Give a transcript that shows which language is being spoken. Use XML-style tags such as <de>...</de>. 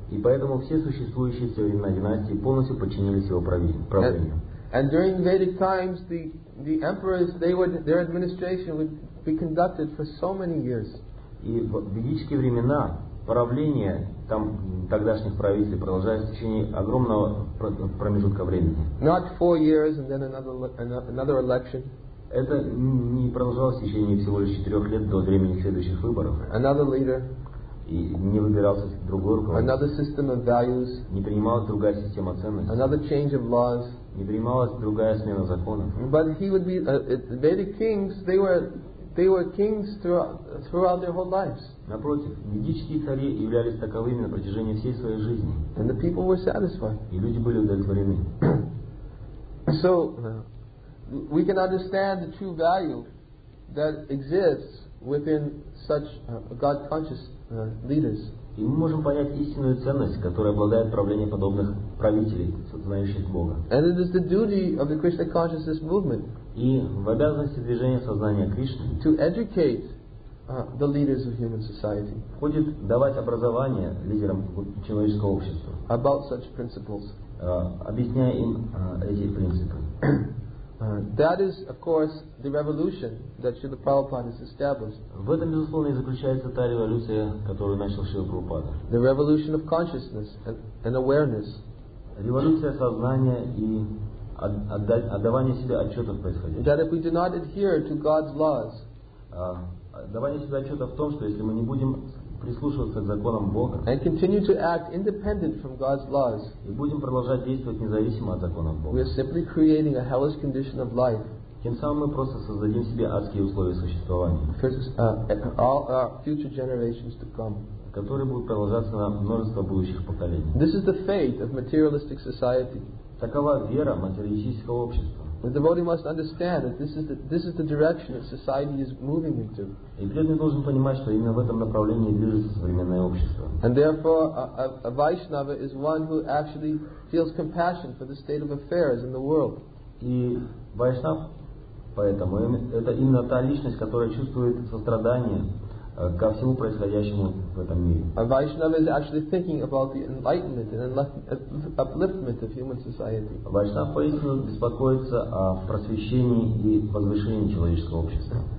<ru>И поэтому все существующие все времена династии полностью подчинились его правлению.</ru> <en>And during Vedic times, the emperors, their administration would be conducted for so many years.</en> <ru>И в ведические времена правление там тогдашних правителей продолжается в течение огромного промежутка времени.</ru> <en>Not 4 years and then another election.</en> <ru>Это не продолжалось в течение всего лишь 4 лет до времени следующих выборов.</ru> <en>Another leader.</en> <ru>и не выбирался другой руководитель.</ru> <en>Another system of values.</en> <ru>Не принималась другая система ценностей.</ru> <en>Another change of laws.</en> <ru>Не принималась другая смена законов.</ru> <en>But he would be the Vedic kings. They were kings throughout their whole lives.</en> <ru>Напротив, ведические цари являлись таковыми на протяжении всей своей жизни.</ru> <en>And the people were satisfied.</en> <ru>И люди были удовлетворены.</ru> <en>So we can understand the true value that exists within such God-conscious leaders.</en> <ru>И мы можем понять истинную ценность, которая обладает правлением подобных правителей, сознающих Бога.</ru> <en>And it is the duty of the Krishna consciousness movement.</en> <ru>И в обязанности движения сознания Кришны</ru> <en>to educate the leaders of human society.</en> <ru>Входит давать образование лидерам человеческого общества.</ru> <en>About such principles.</en> <ru>Объясняя им эти принципы.</ru> <en>That is, of course, the revolution that Srila Prabhupada has established.</en> <ru>В этом, безусловно, и заключается та революция, которую начал Шрила Прабхупада.</ru> <en>The revolution of consciousness and awareness.</en> <ru>Революция сознания и отдавание себе отчета в происходящем.</ru> <en>That if we do not adhere to God's laws.</en> <ru>Отдавание себе отчета в том, что если мы не будем прислушиваться к законам Бога.</ru> <en>And continue to act independent from God's laws.</en> <ru>И будем продолжать действовать независимо от законов Бога.</ru> <en>We are simply creating a hellish condition of life.</en> <ru>Тем самым мы просто создадим себе адские условия существования.</ru> <en>For all our future generations to come.</en> <ru>Которые будут продолжаться на множество будущих поколений.</ru> <en>This is the fate of materialistic society.</en> <ru>Такова вера материалистического общества.</ru> <en>The devotee must understand that this is the direction that society is moving into.</en> <ru>И преданный должен понимать, что именно в этом направлении движется современное общество.</ru> <en>And therefore, a Vaishnava is one who actually feels compassion for the state of affairs in the world.</en> <ru>И Вайшнав, поэтому это именно та личность, которая чувствует сострадание ко всему происходящему в этом мире.</ru> <en>A Vaishnava is actually thinking about the enlightenment and upliftment of human society.</en> <ru>Вайшнав поистине беспокоится о просвещении и возвышении человеческого общества.</ru>